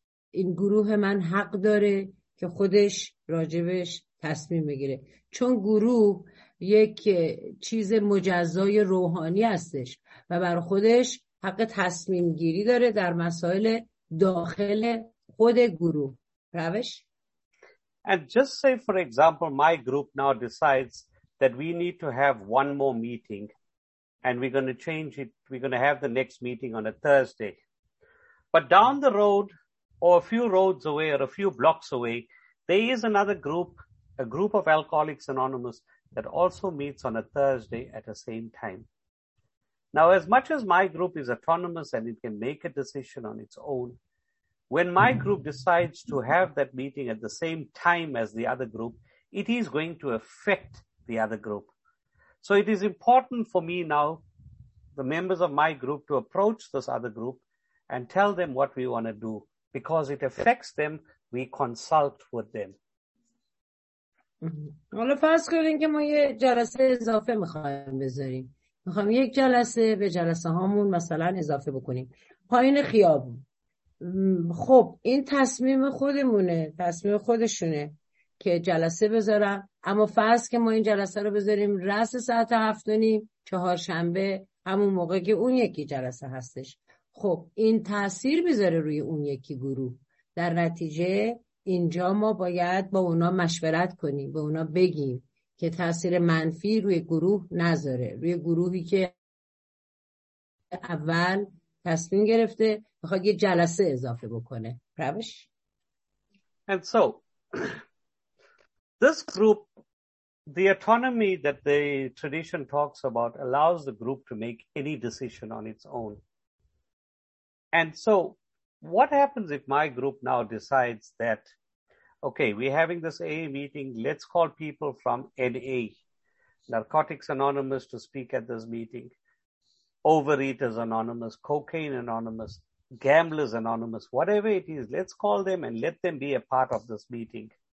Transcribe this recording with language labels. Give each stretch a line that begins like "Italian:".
Persian: این گروه من حق داره که خودش راجبش تصمیم بگیره، چون گروه یک چیز مجزای روحانی هستش و بر خودش حق تصمیم گیری داره در مسائل داخل خود گروه. روش؟
English: And just say for example my group now decides that we need to have one more meeting and we're going to change it, we're going to have the next meeting on a Thursday, but down the road or a few roads away or a few blocks away there is another group, a group of Alcoholics Anonymous that also meets on a Thursday at the same time. Now, as much as my group is autonomous and it can make a decision on its own, when my group decides to have that meeting at the same time as the other group, it is going to affect the other group. So it is important for me now, the members of my group, to approach this other group and tell them what we want to do. Because it affects them, we consult with them.
Persian: حالا فرض کنیم که ما یه جلسه اضافه میخوایم بذاریم، میخوایم یک جلسه به جلسه هامون مثلا اضافه بکنیم پایین خیابون. خب این تصمیم خودمونه، تصمیم خودشونه که جلسه بذارن، اما فرض که ما این جلسه رو بذاریم رأس ساعت 7:30 چهارشنبه، همون موقع که اون یکی جلسه هستش، خب این تأثیر بذاره روی اون یکی گروه. در نتیجه اینجا ما باید با اونا مشورت کنیم، با اونا بگیم که تأثیر منفی روی گروه نذاره، روی گروهی که اول تصمیم گرفته بخواد یه جلسه اضافه بکنه. روش؟
English: And so, This group, the autonomy that the tradition talks about allows the group to make any decision on its own. And so what happens if my group now decides that, okay, we're having this AA meeting, let's call people from NA, Narcotics Anonymous, to speak at this meeting, Overeaters Anonymous, Cocaine Anonymous, Gamblers Anonymous, whatever it is, let's call them and let them be a part of this meeting.